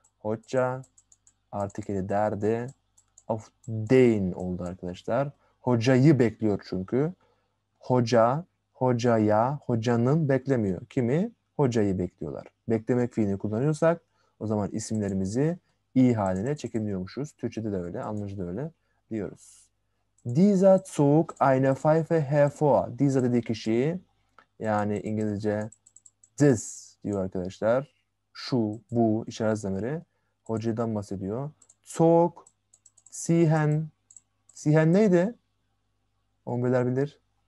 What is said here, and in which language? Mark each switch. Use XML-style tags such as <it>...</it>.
<tr>Hoca artikeli derdi.</tr> <de>Auf den</de> <tr>oldu arkadaşlar. Hocayı bekliyor çünkü. Hoca, hocaya, hocanın beklemiyor. Kimi? Hocayı bekliyorlar. Beklemek fiilini kullanıyorsak o zaman isimlerimizi i haline çekiniyormuşuz. Türkçe'de de öyle, Almanca'da da öyle diyoruz.</tr> <de>Dieser zog eine Pfeife hervor.</de> <tr>Dieser dediği kişi, yani İngilizce</tr> <en>this</en> <tr>diyor arkadaşlar. Şu, bu işaret zamiri. Hocadan bahsediyor.</tr> <de>Zog, ziehen. Ziehen</de> <tr>neydi? Onbeler bilir.</tr>